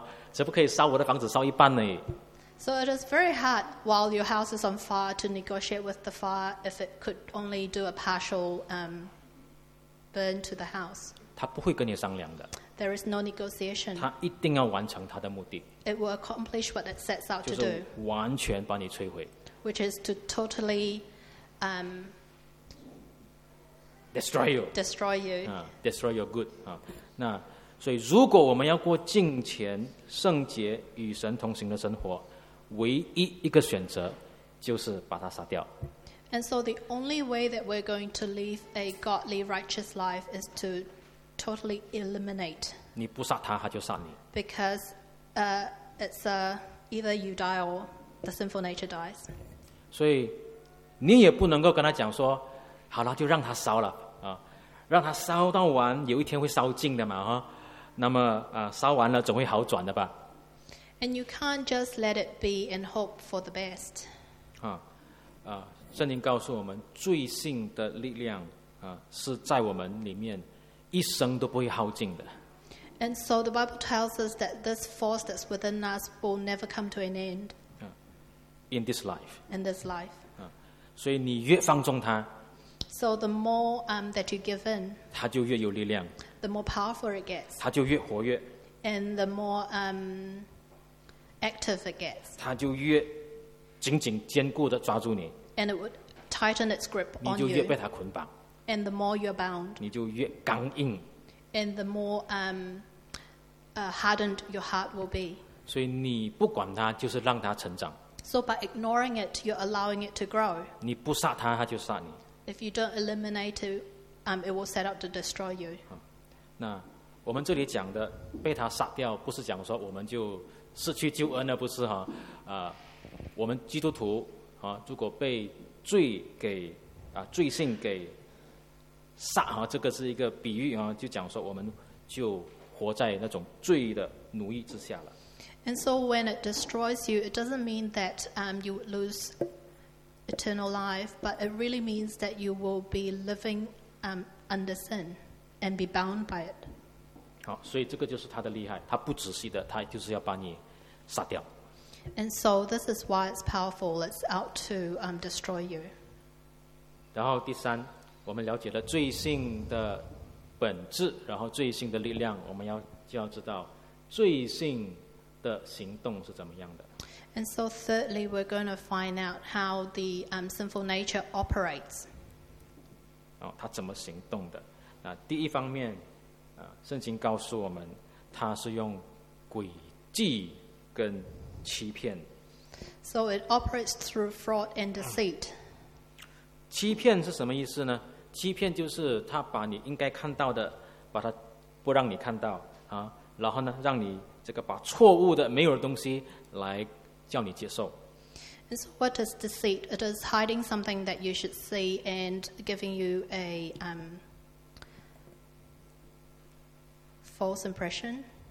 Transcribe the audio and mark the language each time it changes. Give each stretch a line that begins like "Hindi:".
Chinese: 你是没有办法跟这个火坐下来谈，哎，你可不可以只烧掉我的这个厕所？反正我要装修了啊，只不可以烧我的房子烧一半呢。
English: So it is very hard while your house is on fire to negotiate with the fire if it could only do a partial burn to the house.
Chinese: 他不会跟你商量的。
English: There is no negotiation.
Chinese: 他一定要完成他的目的。
English: It will accomplish what it sets out to do.
Chinese: 就是完全把你摧毁。
English: Which is to totally destroy you. Destroy you. Destroy your good.
Chinese: 那, 所以如果我们要过敬虔圣洁与神同行的生活, 唯一一个选择就是把他杀掉。
English: And so the only way that we're going to live a godly righteous life is to totally eliminate.
Chinese: 你不杀他, 他就杀你。
English: Because it's either you die or the sinful nature dies.
Chinese: 所以你也不能够跟他讲说, 好了，就让他烧了，让他烧到完, 有一天会烧尽的嘛, 那么烧完了总会好转的吧。
English: And you can't just let it be and hope for the best.
Chinese: 圣经告诉我们, 罪性的力量, 是在我们里面, 一生都不会耗尽的。
English: And so the Bible tells us that this force that's within us will never come to an end. In this life. In this life.
Chinese: 所以你越放纵他,
English: so the more that you give in,
Chinese: 他就越有力量,
English: the more powerful it gets.
Chinese: 他就越活跃,
English: and the more active it gets.
Chinese: 他就越紧紧坚固地抓住你,
English: and it would tighten its grip on you.
Chinese: 你就越被他捆绑,
English: and the more you're bound,
Chinese: 你就越刚硬,
English: and the more hardened your heart will be.
Chinese: 所以你不管他, 就是让他成长。
English: So by ignoring it, you're allowing it to grow.
Chinese: 你不杀他, 他就杀你。
English: If you don't eliminate it, it will set out to destroy you.
Chinese: 那, 我们这里讲的被他杀掉，不是讲说我们就失去救恩了，不是哈？啊，我们基督徒啊，如果被罪给啊罪性给杀哈、啊，这个是一个比喻啊，就讲说我们就活在那种罪的奴役之下了。
English: And so when it destroys you, it doesn't mean that you would lose eternal life, but it really means that you will be living under sin and be bound by it.
Chinese: 好，所以这个就是他的厉害，他不仔细的，他就是要把你杀掉。
English: And so this is why it's powerful. It's out to destroy you.
Chinese: 然后第三，我们了解了罪性的本质，然后罪性的力量，我们要知道罪性的行动是怎么样的。
English: And so thirdly, we're going to find out how the sinful nature operates.
Chinese: 哦，它怎么行动的？那第一方面，圣经告诉我们，它是用诡计跟欺骗。
English: So it operates through fraud and deceit.
Chinese: 欺骗是什么意思呢？欺骗就是他把你应该看到的，把它不让你看到啊，然后呢，让你这个把错误的没有的东西来叫你接受。
English: And so what is deceit? It is hiding something that you should see and giving you a false impression.